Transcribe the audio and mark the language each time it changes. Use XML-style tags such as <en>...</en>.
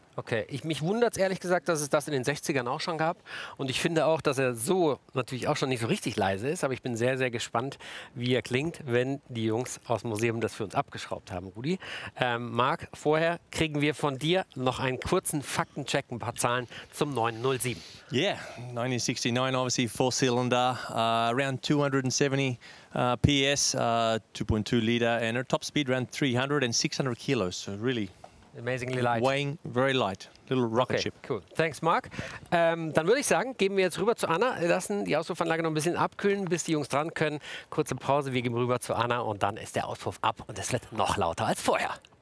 <de>Okay, mich wundert es ehrlich gesagt, dass es das in den 60ern auch schon gab. Und ich finde auch, dass er so natürlich auch schon nicht so richtig leise ist. Aber ich bin sehr, sehr gespannt, wie er klingt, wenn die Jungs aus dem Museum das für uns abgeschraubt haben, Rudi. Marc, vorher kriegen wir von dir noch einen kurzen Faktencheck, ein paar Zahlen zum 907.</de> <en>Yeah, 1969, obviously four-cylinder, around 270 PS, 2.2-liter and a top speed around 300 and 600 kilos. So really... amazingly light. Weighing very light. Little rocket ship. Okay, cool. Thanks, Marc.</en> <de>Dann würde ich sagen, geben wir jetzt rüber zu Anna. Lassen die Auspuffanlage noch ein bisschen abkühlen, bis die Jungs dran können. Kurze Pause, wir gehen rüber zu Anna und dann ist der Auspuff ab und es wird noch lauter als vorher.</de>